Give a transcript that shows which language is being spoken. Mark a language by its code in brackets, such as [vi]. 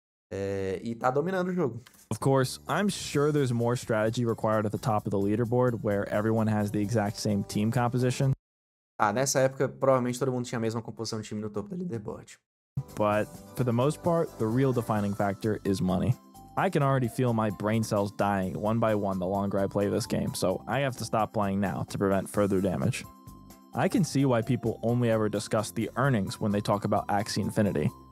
[pt] E tá dominando o jogo. [en] Of course, I'm sure there's more strategy required at the top of the leaderboard, where everyone has the exact same team composition. [pt] Ah, nessa época, provavelmente todo mundo tinha a mesma composição de time no topo da leaderboard. [en] But, for the most part, the real defining factor is money. I can already feel my brain cells dying one by one the longer I play this game, so I have to stop playing now to prevent further damage. I can see why people only ever discuss the earnings when they talk about Axie Infinity.